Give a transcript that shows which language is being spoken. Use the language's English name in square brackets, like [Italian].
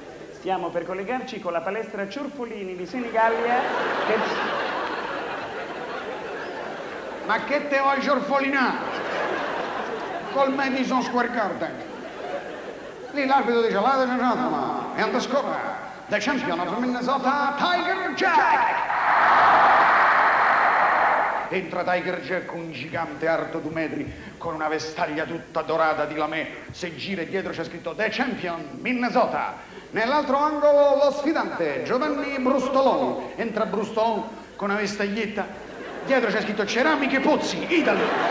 [Italian] Stiamo per collegarci con la palestra Ciurfolini di Senigallia. Ma che te vuoi ciurfolinare? Col Madison Square Garden. Lì l'arbitro dice, la giornata è andata a scopare. [English] The champion of Minnesota, Tiger Jack! [Italian] Entra Tiger Jack, un gigante alto 2 metri, con una vestaglia tutta dorata di lamè. Se gira dietro c'è scritto The Champion, Minnesota. Nell'altro angolo lo sfidante, Giovanni Brustolone. Entra Brustolone con una vestaglietta. Dietro c'è scritto Ceramiche Pozzi, Italy.